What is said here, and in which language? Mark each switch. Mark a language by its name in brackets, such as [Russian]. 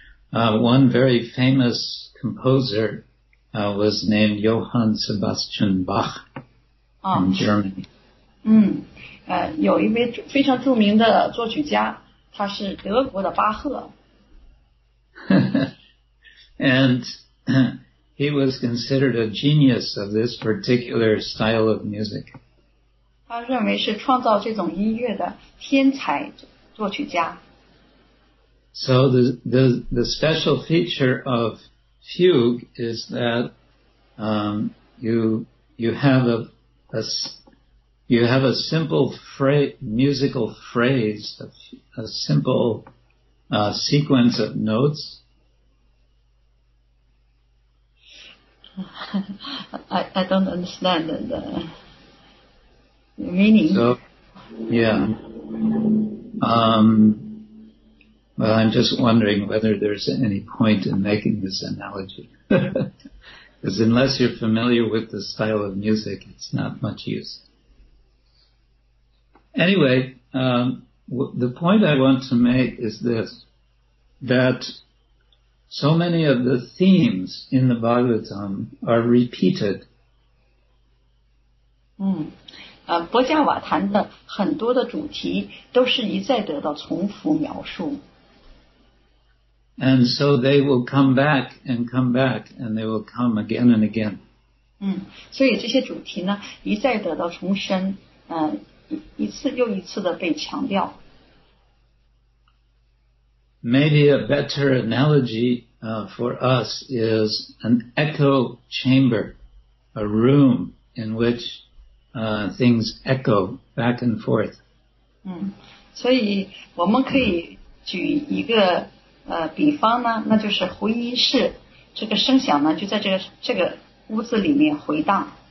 [English] One very famous composer was named Johann Sebastian Bach from Germany. [Chinese] 有一位非常著名的作曲家，他是德国的巴赫。 [English] And he was considered a genius of this particular style of music. [Chinese] 他认为是创造这种音乐的天才作曲家。 [English] So the special feature of fugue is that you have a simple musical phrase, a simple sequence of notes. 、I don't understand the meaning. So, yeah. Well, I'm just wondering whether there's any point in making this analogy. Because unless you're familiar with the style of music, it's not much use. Anyway, the point I want to make is this, that so many of the themes in the Bhagavatam are repeated. [Chinese] 波迦瓦坛的很多的主题都是一再得到重复描述。 [English] And so they will come back and come back and they will come again and again. [Chinese] 所以这些主题呢一再得到重申一次又一次的被强调。 [English] Maybe a better analogy for us is an echo chamber, a room in which things echo back and forth. [Chinese] 所以我们可以举一个比方呢，那就是回音室，这个声响呢就在这个屋子里面回荡。